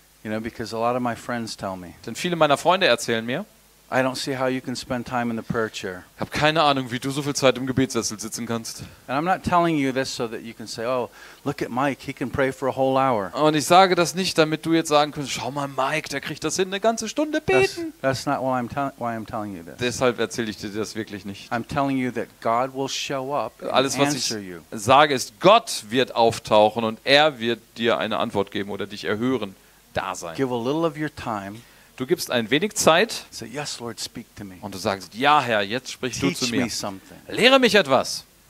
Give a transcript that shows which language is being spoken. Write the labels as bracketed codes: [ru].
[en] You know, because a lot of my friends tell me. [de] Denn viele meiner Freunde erzählen mir. [en] I don't see how you can spend time in the prayer chair. [de] Ich habe keine Ahnung, wie du so viel Zeit im Gebetssessel sitzen kannst. [en] And I'm not telling you this so that you can say, oh, look at Mike, he can pray for a whole hour. [de] Und ich sage das nicht, damit du jetzt sagen kannst, schau mal, Mike, der kriegt das hin, eine ganze Stunde beten. [en] That's not why I'm telling you this. [de] Deshalb erzähle ich dir das wirklich nicht. [en] I'm telling you that God will show up and [de] alles, was ich sage, ist, Gott wird auftauchen und er wird dir eine Antwort geben oder dich erhören, da sein. [en] Give a little of your time. [de] Du gibst ein wenig Zeit und du sagst, ja, Herr, jetzt sprichst du zu mir. Lehre mich etwas.